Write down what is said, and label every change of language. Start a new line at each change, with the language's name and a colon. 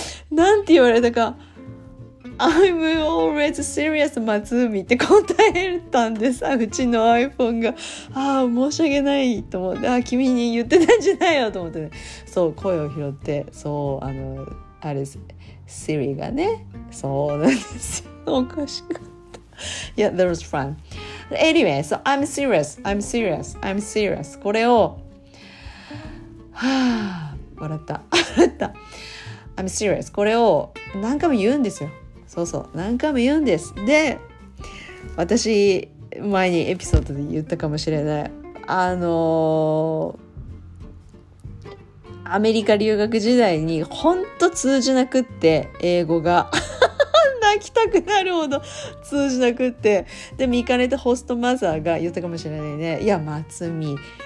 Japanese: なんて言われたか。
English: I'm always serious,
Japanese: 松海って答えたんでさ、うちの iPhone が、ああ、申し訳ないと思って、ああ、君に言ってたんじゃないよと思ってね。そう、声を拾って、そう、あれ、Siri がね、そうなんですよ。おかしかった。
English: Yeah, that was fun. Anyway, so I'm serious, I'm serious, I'm serious.
Japanese: これを、はあ、笑った、笑った。
English: I'm serious.
Japanese: これを何回も言うんですよ。そうそう、何回も言うんです。で、私前にエピソードで言ったかもしれない、アメリカ留学時代に本当通じなくって、英語が泣きたくなるほど通じなくって、で見かねたホストマザーが言ったかもしれないね、いや松見、